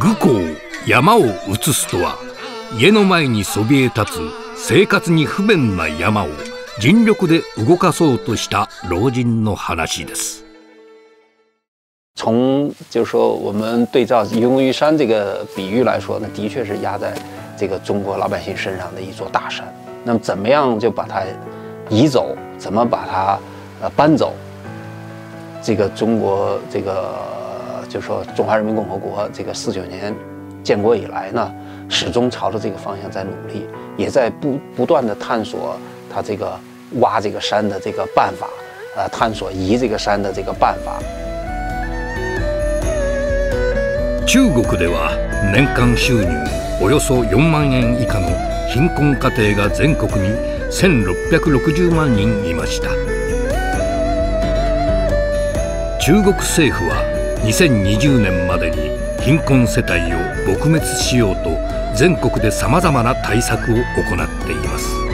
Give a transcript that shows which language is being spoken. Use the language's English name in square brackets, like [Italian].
[Japanese] 愚公山を移すとは、家の前にそびえ立つ生活に不便な山を尽力で動かそうとした老人の話です。 [Chinese] 从就是说我们对照愚公移山这个比喻来说，那的确是压在这个中国老百姓身上的一座大山。那么怎么样就把它移走？怎么把它搬走？这个中国这个就是说中华人民共和国这个四九年建国以来呢？始终朝着这个方向在努力，也在不断地探索他这个挖这个山的这个办法，探索移这个山的这个办法。 [Japanese] 中国では年間収入およそ4万円以下の貧困家庭が全国に1660万人いました。中国政府は2020年までに貧困世帯を撲滅しようと全国でさまざまな対策を行っています。